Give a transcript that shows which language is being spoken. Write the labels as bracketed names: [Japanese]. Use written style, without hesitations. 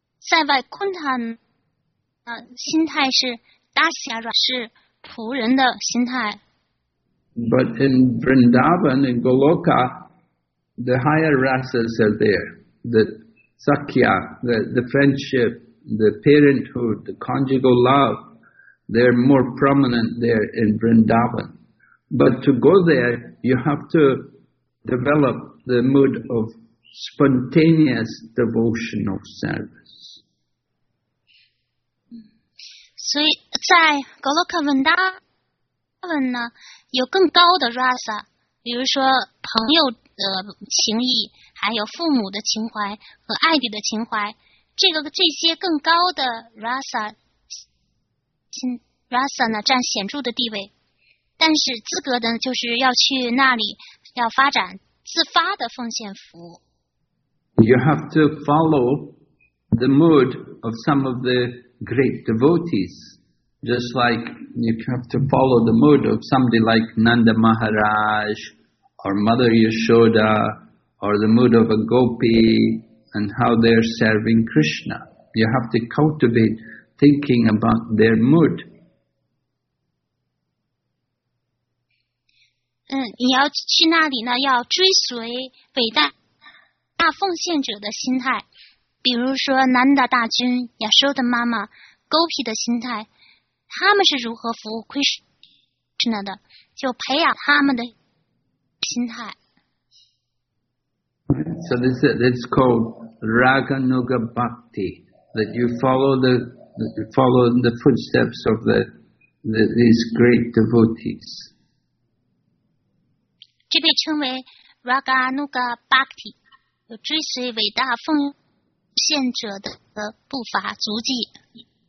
[Chinese] 在外昆塔心态是达西亚拉，是仆人的心态。 [English] But in Vrindavan, in Goloka, the higher rasas are there. The sakya, the friendship, the parenthood, the conjugal love, they're more prominent there in Vrindavan. But to go there, you have to develop the mood of spontaneous devotional service. [Chinese] 所以在格洛克文达文呢有更高的 rasa， 比如说朋友的情谊，还有父母的情怀和爱侣的情怀，这些更高的 rasa 呢占显著的地位。但是资格呢就是要去那里要发展自发的奉献服务。 [English] You have to follow the mood of some of theGreat devotees, just like you have to follow the mood of somebody like Nanda Maharaj or Mother Yashoda or the mood of a gopi and how they're serving Krishna. You have to cultivate thinking about their mood. [Chinese] 你要去那里呢，要追随伟大大奉献者的心态。比如说南达大君、亚修的妈妈、勾皮的心态，他们是如何服务 Krishna 的，就培养他们的心态。 [English] So this is called Raganuga Bhakti, that you follow the footsteps of these great devotees. [Chinese] 这被称为 Raganuga Bhakti, 有追随伟大奉献现者的步伐足迹。